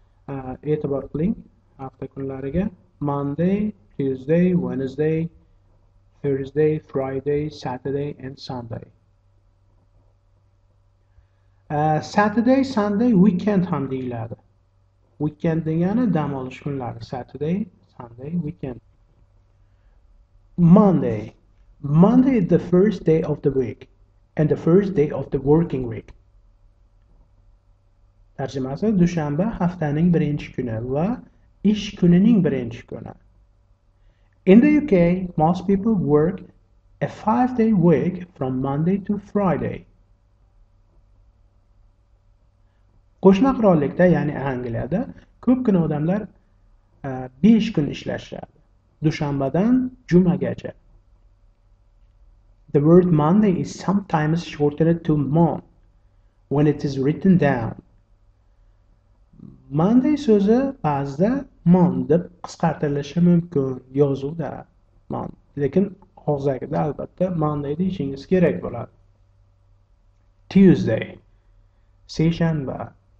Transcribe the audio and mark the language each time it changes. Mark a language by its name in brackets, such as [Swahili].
[Uzbek] E'tibor qiling hafta kunlariga. [English] Monday, Tuesday, Wednesday, Thursday, Friday, Saturday and Sunday. [Uzbek] Saturday, Sunday, weekend ham deyiladi. Weekend degani dam olish kunlari. [English] Saturday, Sunday, weekend. Monday. Monday is the first day of the week and the first day of the working week. [Uzbek] Tarjimasi: dushanba haftaning birinchi kuni va ish kunining birinchi kuni. [English] In the UK, most people work a 5-day week from Monday to Friday. [Uzbek] Qo'shma qirollikda, ya'ni Angliyada, ko'pgina odamlar 5 kun ishlashadi. Dushanbadan jumagacha. [English] The word Monday is sometimes shortened to Mon when it is written down. [Uzbek] Monday so'zi ba'zida Mon deb qisqartirilishi mumkin yozuvda. Mon. Lekin og'zakida albatta Monday deyishingiz kerak bo'ladi. Tuesday. Seshanba.